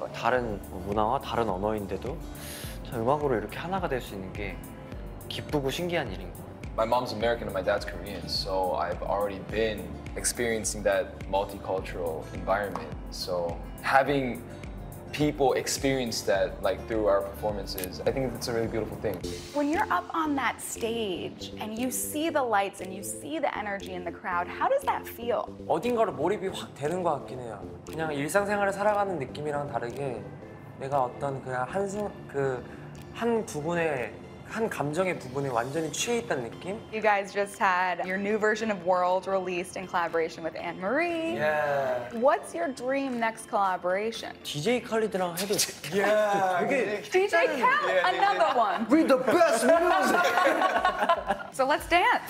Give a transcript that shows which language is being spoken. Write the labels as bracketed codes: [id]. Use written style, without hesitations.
[ko] 다른 문화와 다른 언어인데도 저 음악으로 이렇게 하나가 될 수 있는 게 기쁘고 신기한 일인 거. [en] My mom's American and my dad's Korean, so I've already been experiencing that multicultural environment. So having people experience that, like, through our performances. I think it's a really beautiful thing. When you're up on that stage and you see the lights and you see the energy in the crowd, how does that feel? [ko] 어딘가로 몰입이 확 되는 것 같긴 해요. 그냥 일상생활을 살아가는 느낌이랑 다르게 내가 어떤 그냥 한 부분에 한 감정의 부분에 완전히 취해 있다는 느낌? [en] You guys just had your new version of World released in collaboration with Anne Marie. Yeah. What's your dream next collaboration? [ko] DJ Khaled이랑 해도 [en] DJ Khaled, another one. Be the best music. So let's dance.